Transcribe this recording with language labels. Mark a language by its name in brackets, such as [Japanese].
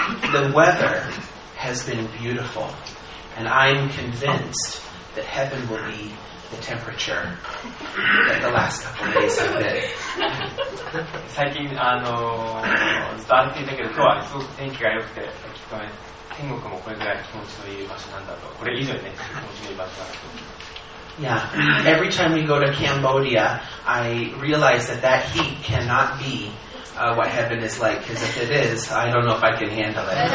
[English] The weather has been beautiful, and I'm convinced that heaven will be the temperature that the last couple of days have been. [Japanese] 最近あのずっと歩いていたけど今日はすごく天気が良くてきっとね天国もこれぐらい気持ちのいい場所なんだとこれ以上ね気持ちのいい場所だと。 [English] Yeah, every time we go to Cambodia, I realize that that heat cannot be、what heaven is like, because if it is, I don't know if I can handle it.